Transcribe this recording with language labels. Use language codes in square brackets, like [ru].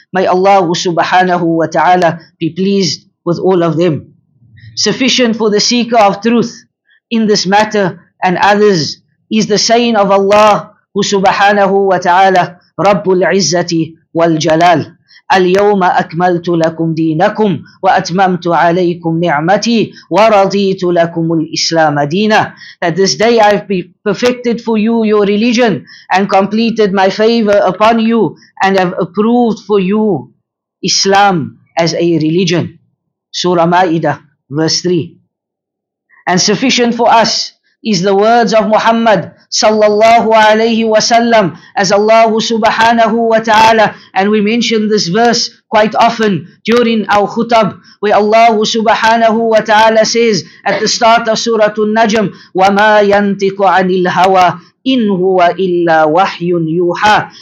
[en] May Allah subhanahu wa ta'ala be pleased with all of them. Sufficient for the seeker of truth in this matter and others is the saying of Allah subhanahu wa ta'ala, Rabbul Izzati wal Jalal. [ar] اليوم أكملت لكم دينكم وأتممت عليكم نعمتي ورضيت لكم الإسلام دينا. [en] That this day I have perfected for you your religion and completed my favor upon you and have approved for you Islam as a religion. Surah Ma'idah, verse 3. And sufficient for us is the words of Muhammad sallallahu alayhi wa sallam, as Allah subhanahu wa ta'ala, and we mention this verse quite often during our khutab, where Allah subhanahu wa ta'ala says at the start of Suratul Najm, وَمَا يَنْتِقُ عَنِ الْهَوَىٰ إِنْ هُوَ إِلَّا وَحْيٌ يُوحَىٰ.